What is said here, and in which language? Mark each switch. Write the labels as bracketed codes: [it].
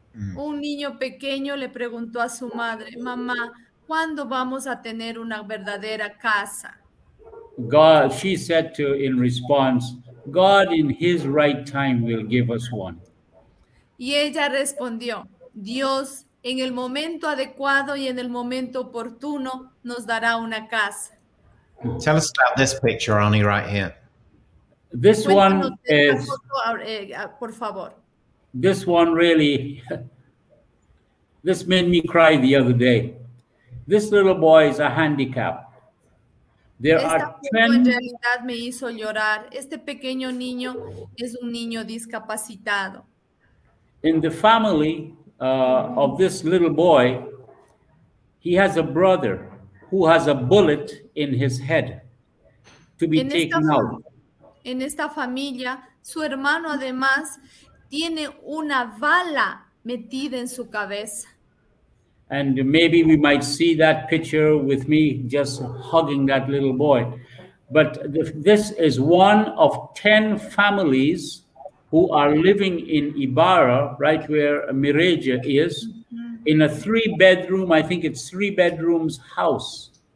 [es] Un niño pequeño le preguntó a su madre, "Mamá, ¿cuándo vamos a tener una verdadera casa?" [en] God, she said to in response, "God in his right time will give us one." [es] Y ella respondió, "Dios en el momento adecuado y en el momento oportuno nos dará una casa." [en] Tell us about this picture, Arnie, right here. This one is, [es] por favor. [en] This one really, this made me cry the other day. This little boy is a handicap. There are 10. [es] En realidad me hizo llorar. Este pequeño niño es un niño discapacitado. [en] In the family of this little boy, he has a brother who has a bullet in his head to be taken out. [es] En esta familia, su hermano además tiene una bala metida en su cabeza. [en] And maybe we might see that picture with me just hugging that little boy. But this is one of 10 families who are living in Ibarra, right where Mirage is, in a three bedrooms house.